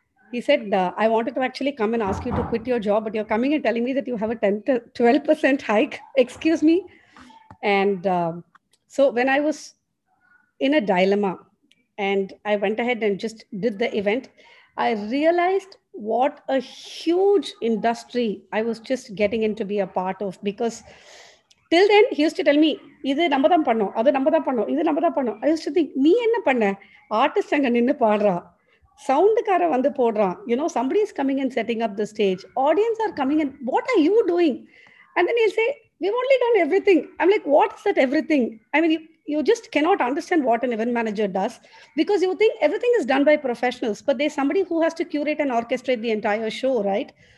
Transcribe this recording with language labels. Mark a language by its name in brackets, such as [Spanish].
[English] He said, I wanted to actually come and ask you to quit your job, but you're coming and telling me that you have a 12% hike. Excuse me. And so when I was in a dilemma and I went ahead and just did the event, I realized what a huge industry I was just getting in to be a part of. Because till then, he used to tell me, இது நம்ம தான் பண்ணோம், அது நம்ம தான் பண்ணோம், இது நம்ம தான் பண்ணோம். I used to think, நீ என்ன பண்ண? [Tamil] ஆர்டிஸ்ட் அங்கே நின்று பாடுறா. [English] Soundkara vandu podran, you know, somebody is coming and setting up the stage, audience are coming and what are you doing? And then he'll say, we've only done everything. I'm like, what is that everything? I mean, you just cannot understand what an event manager does, because you think everything is done by professionals, but there's somebody who has to curate and orchestrate the entire show, right?